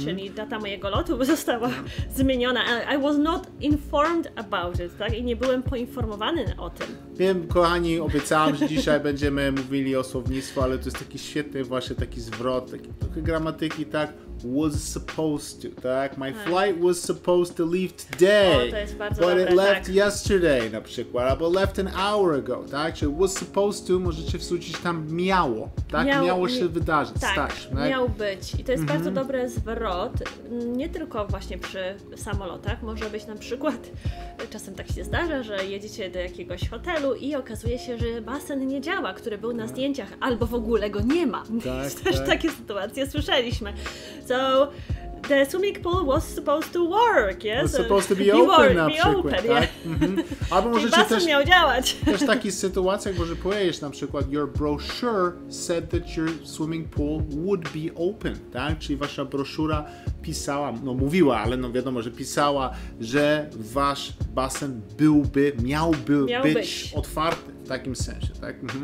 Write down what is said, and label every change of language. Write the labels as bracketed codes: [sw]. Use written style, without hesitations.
[pl] Czyli data mojego lotu została zmieniona. [en] I was not informed about it, [pl] tak? I nie byłem poinformowany o tym. Wiem, kochani, obiecałam, że dzisiaj będziemy mówili o słownictwie, ale to jest taki świetny właśnie taki zwrot, taki trochę gramatyki, tak? [en] Was supposed to, [pl] tak? [en] My flight was supposed to leave today, but it left yesterday, [pl] na przykład, albo [en] left an hour ago, [pl] tak? Czy [en] was supposed to, [pl] możecie wrzucić tam miało, tak? Miało się wydarzyć, miał być. I to jest bardzo dobry zwrot, nie tylko właśnie przy samolotach, może być na przykład, czasem tak się zdarza, że jedziecie do jakiegoś hotelu i okazuje się, że basen nie działa, który był na zdjęciach, albo w ogóle go nie ma. Takie sytuacje słyszeliśmy. [en] So the swimming pool was supposed to work, yes? Was supposed to be open, [pl] na przykład. Tak? Albo może czy też miał działać. Też taki sytuacja, jak może powiedzieć na przykład [en] your brochure said that your swimming pool would be open, [pl] tak? Czyli wasza broszura pisała, no mówiła, ale no wiadomo, że pisała, że wasz basen miałby być otwarty w takim sensie, tak?